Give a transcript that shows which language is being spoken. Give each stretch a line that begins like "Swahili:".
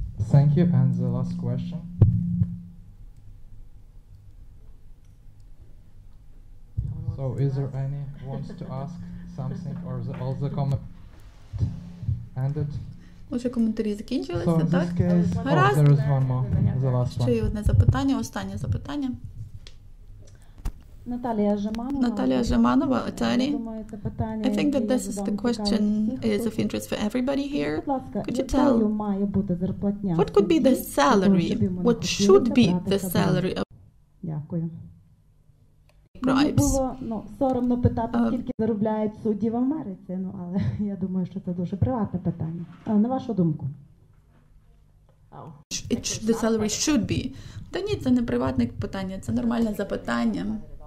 English: Thank you, and the last question. So is there any wants to ask something or all the comment ended?
Ukrainian: Може, коментарі закінчилися,
English: so
Ukrainian: так? Гаразд.
English: There is one more. The last one.
Ukrainian: Ще одне запитання, останнє запитання. Наталія Жеманова,
English: attorney. I think that this is the question is of interest for everybody here. Could you tell what could be the salary? What should be the salary of
Ukrainian: Дякую.
English: Bribes.
Ukrainian: Було, ну, соромно питати, скільки заробляють судді в Америці, ну, але я думаю, що це дуже приватне питання. А на вашу думку?
English: The salary should be.
Ukrainian: Та ні, це не приватне питання, це нормальне запитання.